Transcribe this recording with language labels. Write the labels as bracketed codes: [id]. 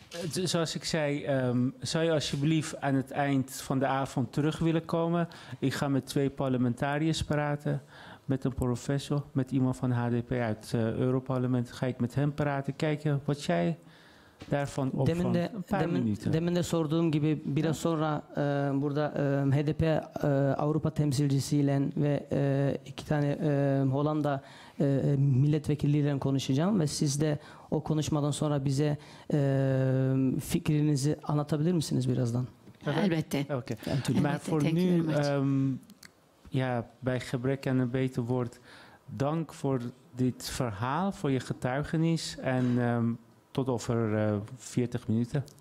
[nl] Zoals ik zei, zou je alsjeblieft aan het eind van de avond terug willen komen? Ik ga met twee parlementariërs praten. Met een professor, met iemand van HDP uit het Europarlement. Ga ik met hem praten, kijken wat jij daarvan opvond. [tr] Deminde, [nl] een paar minuten. [tr] Deminde sorduğum gibi biraz sonra burada HDP Avrupa temsilcisiyle ve iki tane Hollanda milletvekilliyle konuşacağım ve siz de o konuşmadan sonra bize fikrinizi anlatabilir misiniz birazdan? Evet. Elbette. Okay. Elbette. [nl] Maar voor nu, bij gebrek aan een beter woord, dank voor dit verhaal, voor je getuigenis en tot over 40 minuten.